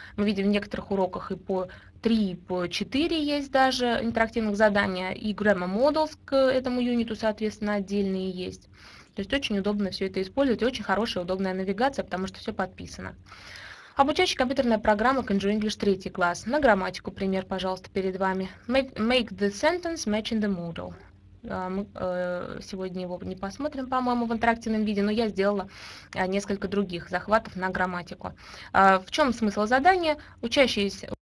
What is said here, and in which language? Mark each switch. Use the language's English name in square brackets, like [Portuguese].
[Russian] Мы видим в некоторых уроках и по 3, и по 4 есть даже интерактивных задания, и Grammar Models к этому юниту, соответственно, отдельные есть. То есть очень удобно все это использовать, и очень хорошая, удобная навигация, потому что все подписано. Обучающая компьютерная программа к Enjoy English 3 класс. На грамматику пример, пожалуйста, перед вами. [English] Make the sentence match in the Moodle. [Russian] Мы сегодня его не посмотрим, по-моему, в интерактивном виде, но я сделала несколько других захватов на грамматику. В чем смысл задания? Учащиеся...